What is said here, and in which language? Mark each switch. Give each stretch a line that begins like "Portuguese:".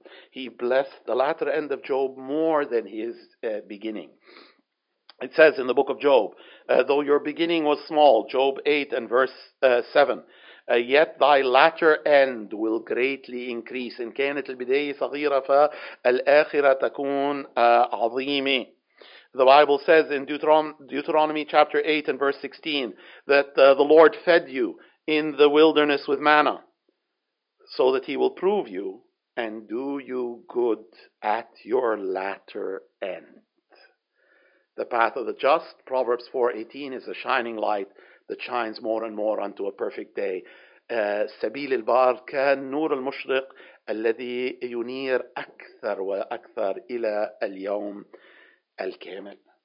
English: He blessed the latter end of Job more than his beginning. It says in the book of Job, though your beginning was small, Job 8 and verse 7, yet thy latter end will greatly increase.
Arabic: In كانت البداية صغيرة فالآخرة تكون عظيمة.
English: The Bible says in Deuteronomy chapter 8 and verse 16 that the Lord fed you in the wilderness with manna, so that he will prove you and do you good at your latter end. The path of the just, Proverbs 4:18, is a shining light that shines more and more unto a perfect day.
Arabic: سبيل البار كان نور المشرق الذي ينير أكثر وأكثر إلى اليوم الكامل.